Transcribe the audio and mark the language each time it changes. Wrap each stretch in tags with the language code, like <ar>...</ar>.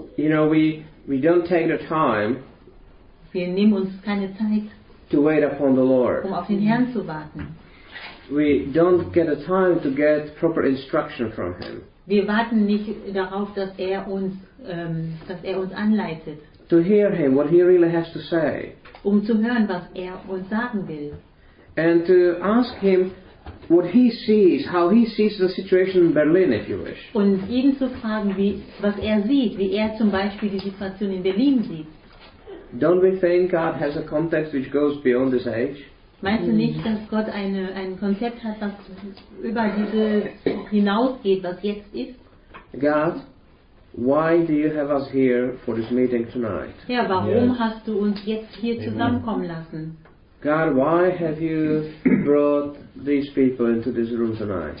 <en>You know, we don't take the time.</en> <de>Wir nehmen uns keine Zeit.</de> <en>To wait upon the Lord.</en> <de>Um auf den Herrn zu warten.</de> <en>We don't get a time to get proper instruction from him.</en> <de>Wir warten nicht darauf, dass uns uns anleitet.</de> <en>To hear him, what he really has to say.</en> <de>Um zu hören, was uns sagen will.</de> <en>And to ask him what he sees, how he sees the situation in Berlin, if you wish.</en> <de>Und ihn zu fragen, was sieht, wie zum Beispiel die Situation in Berlin sieht.</de> <en>Don't we think God has a context which goes beyond this age?</en> <de>Meinst du nicht, dass Gott ein Konzept hat, das über diese hinausgeht, was jetzt ist?</de> <en>God, why do you have us here for this meeting tonight?</en> <de>Ja, warum yes. hast du uns jetzt hier Amen. Zusammenkommen lassen?</de> <en>God, why have you brought these people into this room tonight?</en>